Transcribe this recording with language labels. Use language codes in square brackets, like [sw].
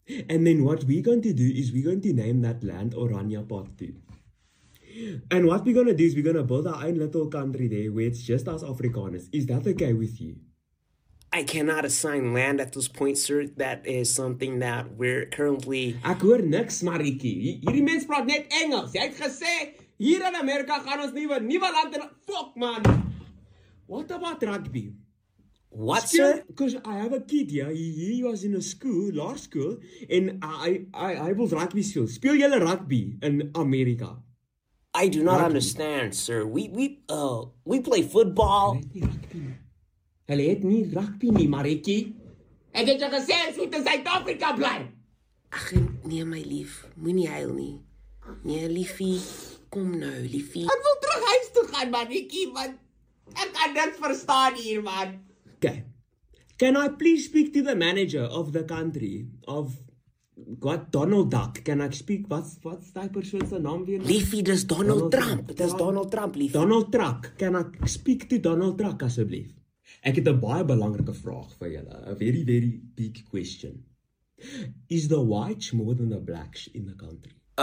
[en] And then what we're going to do is we're going to name that land Orania Part 2. And what we're gonna do is we're gonna build our own little country there where it's just us Afrikaners. Is that okay with you? I cannot assign land at this point, sir. That is something that we're currently... [af] Ek hoor niks, Mariki. Hierdie mens praat net Engels. Jy het gesê, hier in Amerika gaan ons nie een nieuwe land... [en] Fuck, man! What about rugby? What, sir? Because I have a kid here. He was in a school, law school, and I was rugby school. [af] Speel jylle rugby in Amerika? [en] I do not rugby. Understand, sir. We play football. [af] Hulle het nie rugby nie, Mariki. Ek het jou gesê, soet in Suid-Afrika bly. Ach, nee, my lief. Moe nie huil nie. Nee, liefie. Kom nou, liefie. Ek wil terug huis toe gaan, Mariki, want ek kan niks verstaan hier, man. Okay. [en] Can I please speak to the manager of the country? Of God, Donald Duck. Can I speak? What's that person's name weer? [af] Liefie, dis Donald Trump. Trump. Dis Donald Trump, liefie. [en] Donald Truck. Can I speak to Donald Truck, asseblief? [af] Ek het 'n baie belangrike vraag vir julle. [en] A very, very big question. Is the whites more than the blacks in the country?